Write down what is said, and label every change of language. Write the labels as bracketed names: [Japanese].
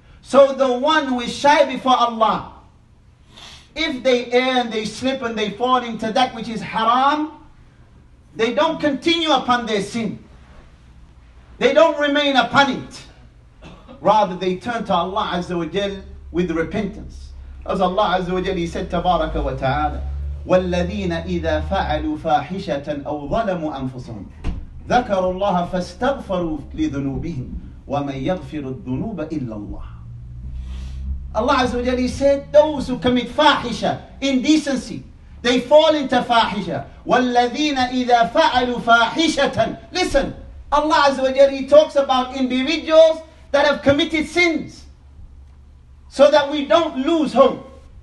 [English] So the one who is shy before Allah, if they err and they slip and they fall into that which is haram, they don't continue upon their sin. They don't remain upon it. Rather, they turn to Allah Azza wa Jal with repentance. As Allah Azza wa Jalla said, Tabaraka wa Ta'ala, [Arabic] وَالَّذِينَ إِذَا فَعَلُوا فَاحِشَةً أَوْ ظَلَمُوا أَنفُسَهُمْ ذَكَرُوا اللَّهَ فَاسْتَغْفَرُوا لِذُنُوبِهِمْ وَمَنْ يَغْفِرُ الذُّنُوبَ إِلَّا اللَّهُ. [English] Allah Azza wa Jalla said, those who commit fahisha, indecency, they fall into fahisha. [Arabic] وَالَّذِينَ إِذَا فَعَلُوا فَاحِشَةً, [English] listen, Allah Azza wa Jalla talks about individuals that have committed sins, so that we don't lose hope.